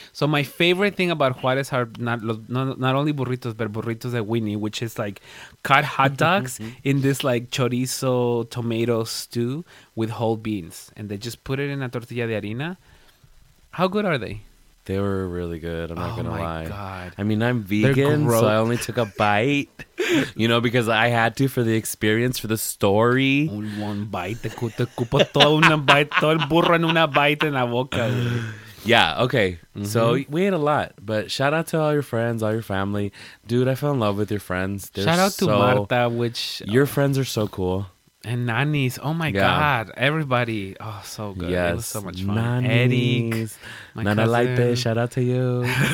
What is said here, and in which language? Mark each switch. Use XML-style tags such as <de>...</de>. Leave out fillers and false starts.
<en>So my favorite thing about Juarez are not only burritos, but</en> <es>burritos de Winnie,</es> <en>which is like cut hot dogs in this like chorizo tomato stew with whole beans. And they just put it in a</en> <es>tortilla de harina.</es> <en>How good are they? They were really good. I'm not going to lie. Oh, my God. I mean, I'm vegan, so I only took a bite, you know, because I had to for the experience, for the story. One bite.</en> <es>Te cupo todo una bite, todo el burro en una bite en la boca.</es> <en>Yeah, okay. Mm-hmm. So we ate a lot, but shout out to all your friends, all your family. Dude, I fell in love with your friends. They're shout out to Marta, which... Your friends are so cool. And nannies, oh my God, everybody, oh, so good. Yes. It was so much fun. Nannies. Eddie, my Nana Laipe, shout out to you.</en>